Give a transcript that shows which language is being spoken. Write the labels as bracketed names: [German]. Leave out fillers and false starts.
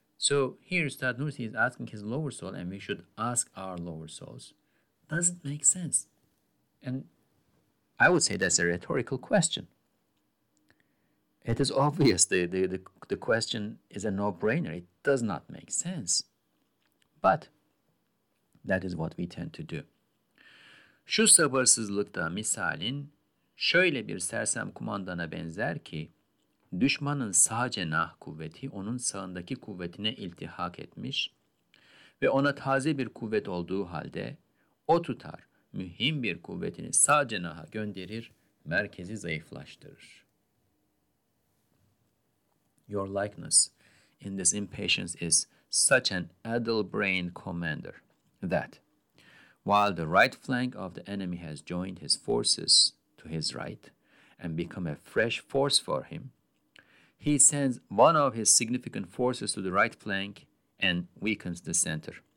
[English] So here, Ustad Nursi is asking his lower soul, and we should ask our lower souls, does it make sense? And I would say that's a rhetorical question. It is obvious, the question is a no-brainer. It does not make sense. But that is what we tend to do. [Turkish] Şu sabırsızlıkta misalin şöyle bir sersem kumandana benzer ki, düşmanın sağ cenah kuvveti onun sağındaki kuvvetine iltihak etmiş ve ona taze bir kuvvet olduğu halde o tutar, mühim bir kuvvetini sağ cenaha gönderir, merkezi zayıflaştırır. [English] Your likeness in this impatience is such an addle-brained commander that while the right flank of the enemy has joined his forces to his right and become a fresh force for him, he sends one of his significant forces to the right flank and weakens the center.